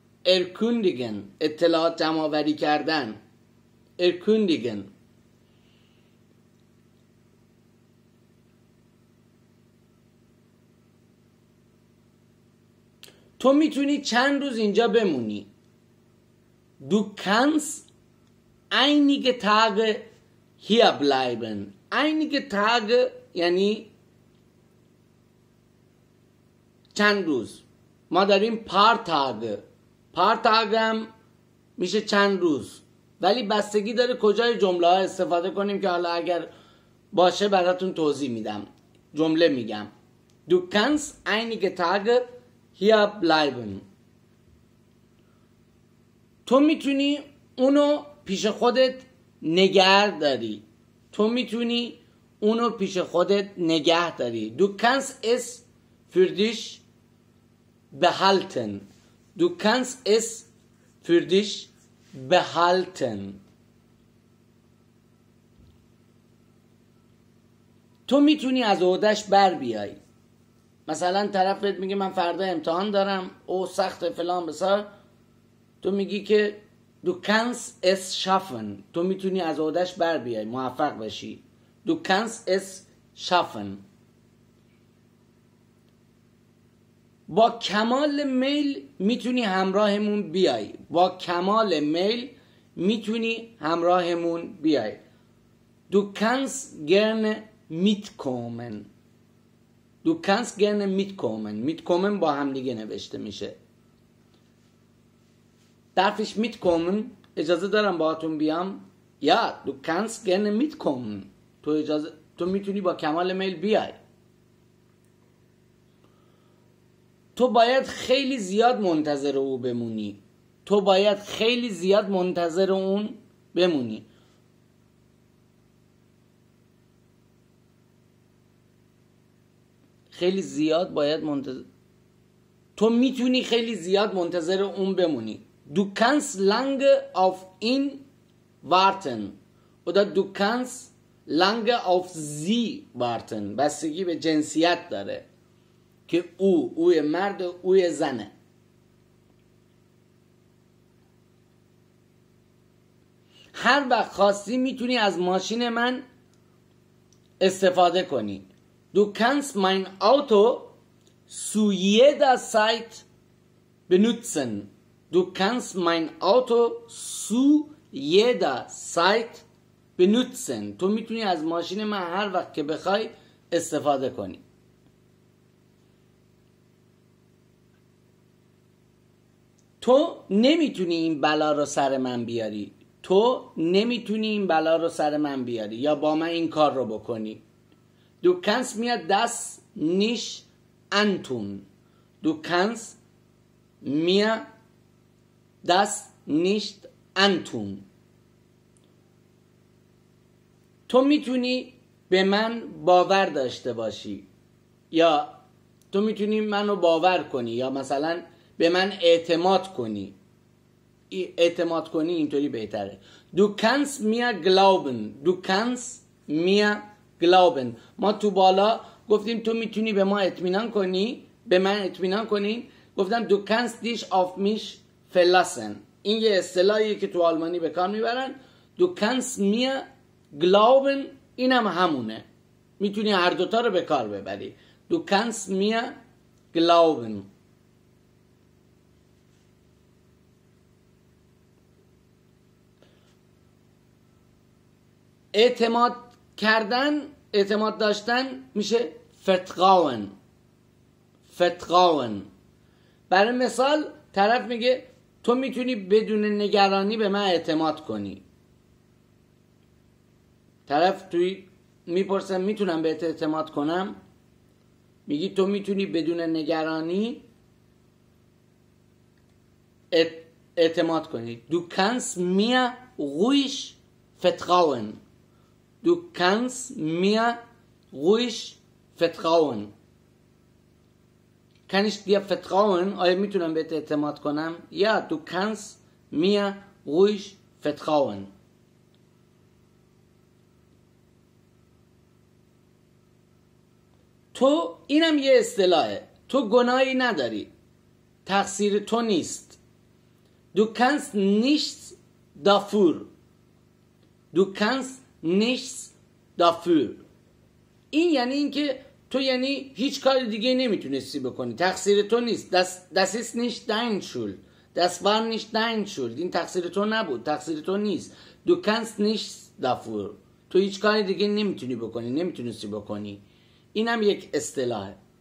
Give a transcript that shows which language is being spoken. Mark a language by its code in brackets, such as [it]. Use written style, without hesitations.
[fa] Erkundigen اطلاعات جمع‌آوری کردن. Erkundigen تو میتونی چند روز اینجا بمونی. [de] Du kannst einige Tage hier bleiben. [fa] Einige Tage یعنی چند روز. ما داریم پار تاگ، پار تاگ هم میشه چند روز، ولی بستگی داره کجای جمله ها استفاده کنیم، که حالا اگر باشه براتون توضیح میدم. جمله میگم [de] Du kannst einige Tage hier bleiben. [fa] تو میتونی اونو پیش خودت نگه داری. تو میتونی اونو پیش خودت نگه داری. [de] Du kannst es für dich behalten. Du kannst es für dich behalten. [fa] تو میتونی از عهده‌اش بر بیای. مثلا طرفت میگه من فردا امتحان دارم، او سخت فلان بسار. تو میگی که [de] Du kannst es schaffen. [fa] تو میتونی از عهده‌اش بر بیای، موفق بشی. [de] Du kannst es schaffen. [fa] با کمال میل میتونی همراهمون بیای. با کمال میل میتونی همراهمون بیای. [de] Du kannst gerne mitkommen. Du kannst gerne mitkommen. [fa] Mitkommen با هم دیگه نوشته میشه. [de] Darf ich mitkommen? [fa] اجازه دارم باهاتون بیام؟ [de] Ja, du kannst gerne mitkommen. [fa] تو اجازه، تو میتونی با کمال میل بیای. تو باید خیلی زیاد منتظر او بمونی. تو باید خیلی زیاد منتظر اون بمونی. خیلی زیاد باید منتظر. تو میتونی خیلی زیاد منتظر اون بمونی. [de] Du kannst lange auf ihn warten. Oder du kannst lange auf sie warten. [fa] بستگی به جنسیت داره که او، اوی مرد و اوی زنه. هر وقت خواستی میتونی از ماشین من استفاده کنی. [de] Du kannst mein Auto zu jeder Zeit benutzen. Du kannst mein Auto zu jeder Zeit benutzen. [fa] تو میتونی از ماشین من هر وقت که بخوای استفاده کنی. تو نمیتونی این بلا رو سر من بیاری. تو نمیتونی این بلا رو سر من بیاری یا با من این کار رو بکنی. [de] Du kannst mir das nicht antun. Du kannst mir das nicht antun. [fa] تو میتونی به من باور داشته باشی، یا تو میتونی منو باور کنی، یا مثلا به من اعتماد کنی. اعتماد کنی اینطوری بهتره. [de] Du kannst mir glauben. Du kannst mir glauben. [fa] ما تو بالا گفتیم تو میتونی به ما اطمینان کنی، به من اطمینان کنی. گفتم [de] Du kannst dich auf mich verlassen. [fa] این یه اصطلاحیه که تو آلمانی به کار میبرن. [de] Du kannst mir glauben. [fa] اینم همونه. میتونی هر دوتا رو به کار ببری. [de] Du kannst mir glauben. [fa] اعتماد کردن، اعتماد داشتن میشه vertrauen. [de] Vertrauen. [fa] برای مثال طرف میگه تو میتونی بدون نگرانی به من اعتماد کنی. طرف توی میپرسه میتونم بهت اعتماد کنم؟ میگی تو میتونی بدون نگرانی اعتماد کنی. [de] Du kannst mir ruhig vertrauen. Du kannst mir ruhig vertrauen. Kann ich dir vertrauen? [fa] آیا میتونم بهت اعتماد کنم؟ [de] Ja, du kannst mir ruhig vertrauen. [fa] تو، اینم یه اصطلاحه، تو گناهی نداری، تقصیر تو نیست. [de] Du kannst nichts dafür. Du kannst nichts dafür. [fa] این یعنی اینکه تو یعنی هیچ کار دیگه نمیتونستی بکنی، تقصیر تو نیست. [de] Das ist nicht dein Schuld. Das war nicht dein Schuld. [fa] این تقصیر تو نبود، تقصیر تو نیست. [de] Du kannst nichts dafür. [fa] تو هیچ کار دیگه نمیتونی بکنی، نمیتونستی بکنی. اینم یک اصطلاحه.